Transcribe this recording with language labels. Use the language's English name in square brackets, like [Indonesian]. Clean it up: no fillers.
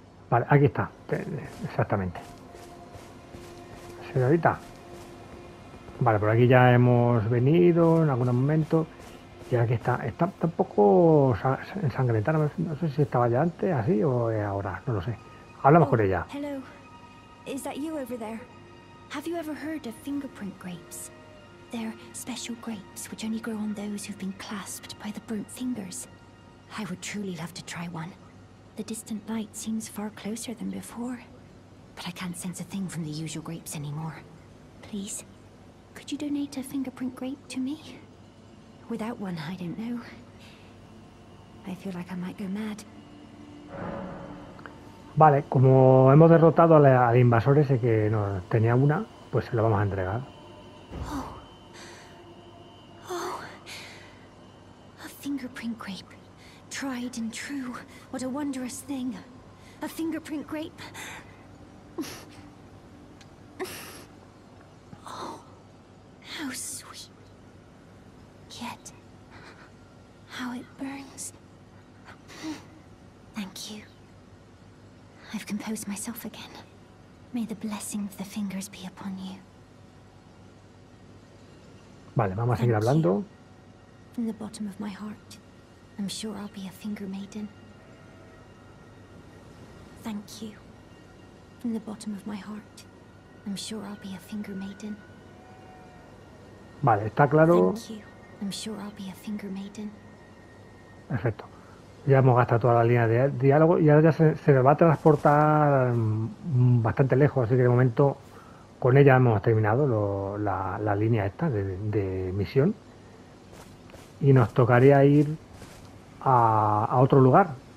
[Spanish] Vale, aquí está. Exactamente. Señorita. Vale, por aquí ya hemos venido en algún momento. Y aquí está. Está un poco ensangrentada. No sé si estaba ya antes, así o ahora. No lo sé. Hablamos con ella. [English] Hello. Is that you over there? Have you ever heard of fingerprint grapes? They're special grapes which only grow on those who've been clasped by the burnt fingers. I would truly love to try one. The distant light seems far closer than before, but I can't sense a thing from the usual grapes anymore. Please, could you donate a fingerprint grape to me? Without one, I don't know. I feel like I might go mad. [Spanish] Vale, como hemos derrotado al invasor ese que nos tenía una, pues se lo vamos a entregar. [English] Oh. Oh. A fingerprint grape. Tried and true. What a wondrous thing. A fingerprint grape. Oh. How sweet. Yet. How it burns. Thank you. I've composed myself again. May the blessing of the fingers be upon you. [Spanish] Vale, vamos a seguir hablando. [English] From the bottom of my heart, I'm sure I'll be a finger maiden. Thank you. From the bottom of my heart, I'm sure I'll be a finger maiden. [Spanish] Vale, está claro. [English] Thank you. I'm sure I'll be a finger maiden. [Spanish] Perfecto. Ya hemos gastado toda la línea de diálogo y ahora ya se nos va a transportar bastante lejos, así que de momento con ella hemos terminado la línea esta de misión y nos tocaría ir a otro lugar.